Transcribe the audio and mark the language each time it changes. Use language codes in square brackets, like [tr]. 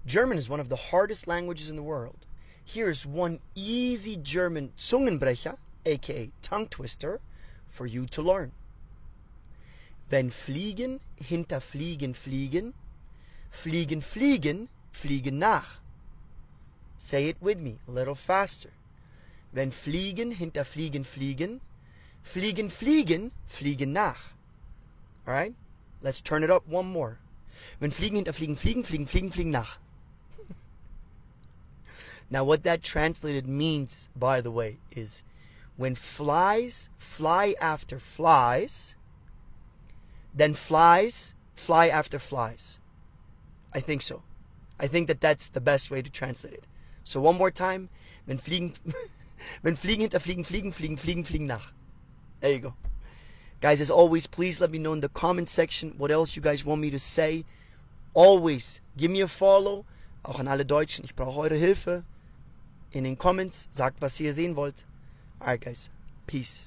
[en] German is one of the hardest languages in the world. Here is one easy German Zungenbrecher, aka tongue twister, for you to learn. [de] Wenn fliegen, hinter fliegen, fliegen. Fliegen, fliegen, fliegen nach. [en] Say it with me, a little faster. [de] Wenn fliegen, hinter fliegen, fliegen. Fliegen, fliegen, fliegen nach. [en] All right? Let's turn it up one more. [de] Wenn fliegen, hinter fliegen, fliegen, fliegen, fliegen, fliegen nach. [en] Now, what that translated means, by the way, is when flies fly after flies, then flies fly after flies. I think so. I think that that's the best way to translate it. So one more time. [de] Wenn fliegen, wenn fliegen hinter fliegen, fliegen, fliegen, fliegen, fliegen nach. [en] There you go. Guys, as always, please let me know in the comment section what else you guys want me to say. Always give me a follow. [de] Auch an alle Deutschen. Ich brauche eure Hilfe. In den Comments sagt, was ihr sehen wollt. [en] Alright, guys. Peace.